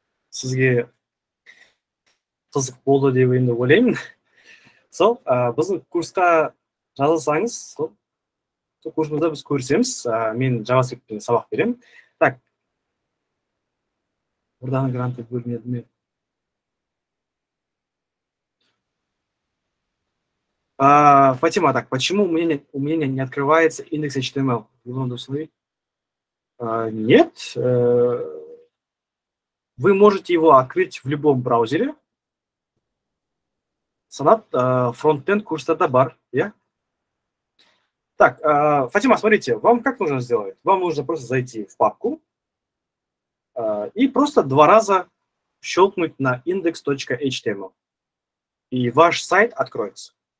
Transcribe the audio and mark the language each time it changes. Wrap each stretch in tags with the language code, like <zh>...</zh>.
<kk>Сізге қызық болды деп енді ойлаймын. Сол, біздің курсқа жазылсаңыз, сол курсымызда біз көрсеміз. Мен JavaScript-пен сабақ беремін.</kk> <ru>Так.</ru> <kk>Бұрдан грант бөлмеді ме?</kk> <ru>Фатима, так, почему у меня не открывается индекс HTML? Его надо установить? Нет. Вы можете его открыть в любом браузере. Санат, фронт-энд курса Табар, я? Так, Фатима, смотрите, вам как нужно сделать? Вам нужно просто зайти в папку и просто два раза щелкнуть на index.html. И ваш сайт откроется.</ru>